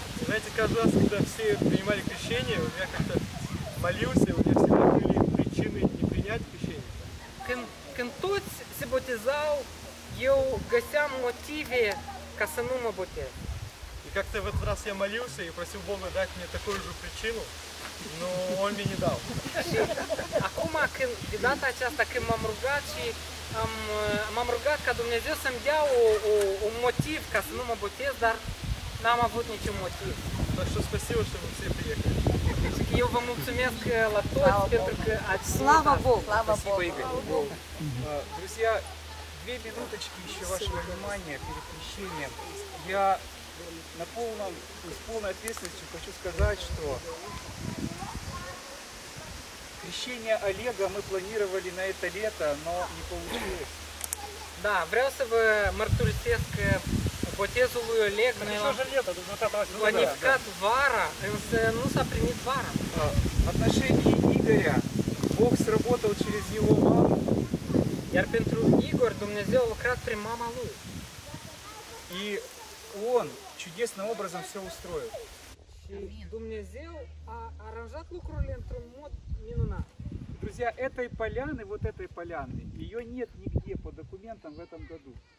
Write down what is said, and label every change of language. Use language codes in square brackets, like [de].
[ru] Знаете, каждый раз, когда все принимали крещение, у меня как-то молился, у меня всегда были причины не принять крещение. [ro] Când toți se botezau, eu găseam motive ca să nu mă botez. [ru] И как-то в этот раз я молился и просил Бога дать мне такую же причину. Но он мне не дал. [ro] Acum, de data aceasta, când m-am rugat și m-am rugat ca Dumnezeu să-mi dea un motiv ca să nu mă botez, dar n-am avut niciun motiv. [ru] Так что спасибо, что вы все приехали. [ro] Eu vă mulțumesc la toți pentru că ați... [ru] Слава Богу! Спасибо, Игорь. Друзья, две минуточки еще вашего внимания перед крещением. Я с полной ответственностью хочу сказать, что посещение Олега мы планировали на это лето, но не получилось. [ro] Да, vreau să vă mărturisesc botezul lui Oleg. [ru] Ну что же лето, до 20-го года. [ro] Планифкат вара, însă nu s-a primit vara. [ru] Отношение Игоря. Бог сработал через его маму. [ro] Iar pentru Igor Dumnezeu a lucrat prin mama lui. [ru] И он чудесным образом все устроил. [ro] Dumnezeu a aranjat lucrurile într-un mod minunat. [ru] Друзья, этой поляны, вот этой поляны, ее нет нигде по документам в этом году.